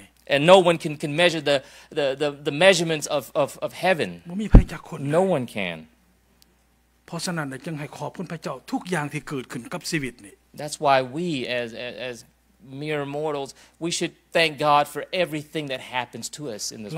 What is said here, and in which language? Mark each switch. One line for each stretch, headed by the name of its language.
English: And no one can measure the measurements of heaven. No one can.
Northeastern Thai: พราะฉะนั้นจึงให้ขอบคุณพระเจ้าทุกอย่างที่เกิดขึ้นกับชีวิตนี้
English: That's why we as mere mortals we should thank God for everything that happens to us in this world